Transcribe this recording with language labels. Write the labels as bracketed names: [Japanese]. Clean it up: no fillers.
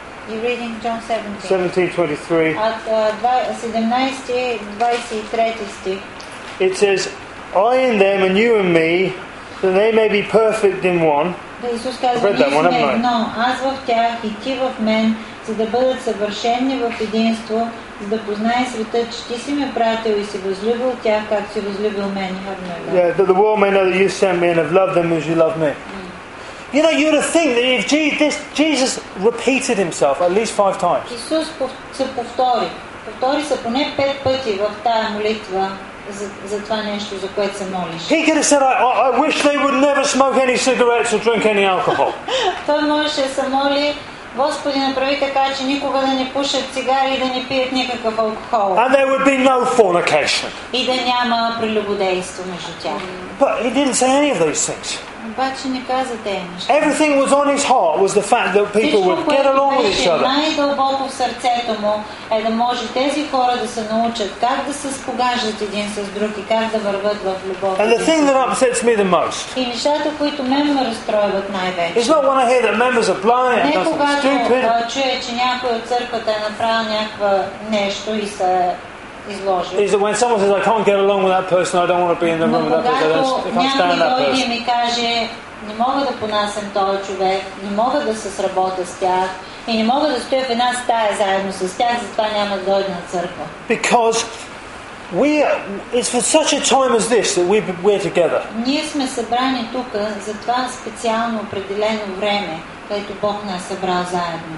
[English] You're reading John 17:23. It says, I in them and you in me, that they may be perfect in one. I've read that one, haven't I? [Bulgarian] За да познае света, че ти си ме пратил и си възлюбил тях, както си възлюбил мен. [English] Yeah, that the world may know that you sent me and have loved them as you love me. You know, you'd think that if Jesus repeated himself at least 5 times. [Bulgarian] Исус се повтори. Повтори се поне 5 пъти в тая молитва за това нещо, за което се молиш. [English] He could have said, I wish they would never smoke any cigarettes or drink any alcohol. [Bulgarian] Той можеше да се моли, Господи, направи така, че никога да не пушат цигари и да не пият никакъв алкохол. [English] And there would be no fornication. [Bulgarian] И да няма прелюбодейство между тях. [English] But he didn't say any of those things. [Bulgarian] Обаче не каза тези неща. [English] Everything was on his heart was the fact that people would get along with each other. [Bulgarian] Най-дълбоко в сърцето му е да може тези хора да се научат как да се спогаждат един с друг и как да върват в любов. [English] And the thing that upsets me the most. [Bulgarian] И нещата, които мен ме разстройват най-вече. [English] It's not when I hear that members are blind and stupid. [Bulgarian] Не когато чуя, че някой от църквата е направил някаква нещо и се [English] Is that when someone says, I can't get along with that person, I don't want to be in the room with that person, I can't stand that person. [Bulgarian] Ми каже, не мога да понасям този човек, не мога да се сработя с тях, и не мога да стоя в една стая заедно с тях, затова няма да дойда на църква. [English] Because we are, it's for such a time as this that we're together. [Bulgarian] Ние сме събрани тука за това специално определено време, което Бог не е събрал заедно.